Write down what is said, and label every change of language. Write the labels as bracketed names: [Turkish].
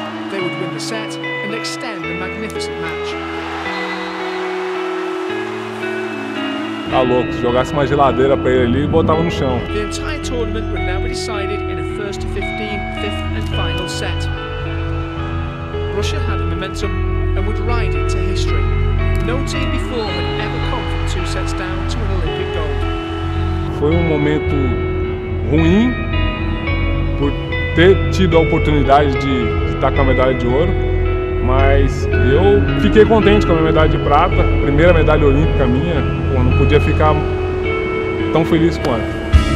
[English] They would win the set and extend the magnificent match. [Portuguese] Tá louco, se jogasse uma geladeira pra ele ali, botava no chão. [English] The entire tournament would now be decided in a 1st-to-15, 5th and final set. Russia had a momentum and would ride it to history. No team before had ever come from 2 sets down to an Olympic gold. [Portuguese] Foi momento ruim por ter tido a oportunidade de estar com a medalha de ouro, mas eu fiquei contente com a minha medalha de prata, primeira medalha olímpica minha, pô, não podia ficar tão feliz quanto.